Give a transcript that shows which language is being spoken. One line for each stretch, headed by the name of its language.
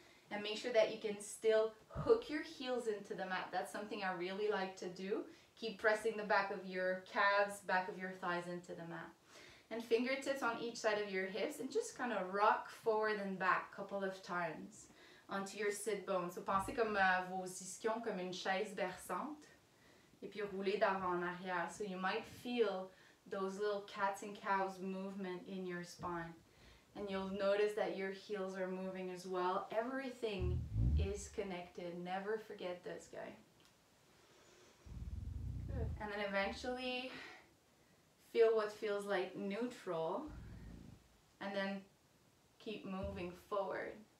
English: And make sure that you can still hook your heels into the mat. That's something I really like to do. Keep pressing the back of your calves, back of your thighs into the mat. And fingertips on each side of your hips and just kind of rock forward and back a couple of times onto your sit bones.
French: So pensez comme vos ischions comme une chaise berçante et puis roulez d'avant en arrière.
English: So you might feel those little cats and cows movement in your spine. And you'll notice that your heels are moving as well. Everything is connected. Never forget this, guy. Good. And then eventually feel what feels like neutral and then keep moving forward.